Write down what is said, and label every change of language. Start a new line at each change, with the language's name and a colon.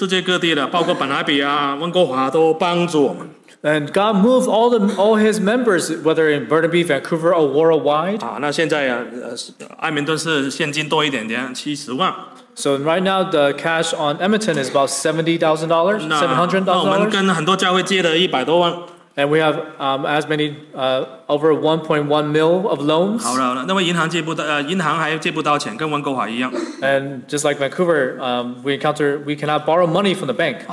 Chinese: 那神就感动弟兄姐妹啊，各世界各地的，包括本拿比啊、温哥华都帮助我们。
English: And God moved all His members, whether in Burnaby, Vancouver, or worldwide.
Chinese: 啊，那现在啊，艾明顿是现金多一点点，70万。
English: So right now, the cash on Edmonton is about $70,000, $700,000.
Chinese: 那我们跟很多教会借的100多万。
English: And we have as many over 1.1 mil of loans.
Chinese: 好了，那么银行还借不到钱，跟温哥华一样。
English: And just like Vancouver, we cannot borrow money from the bank.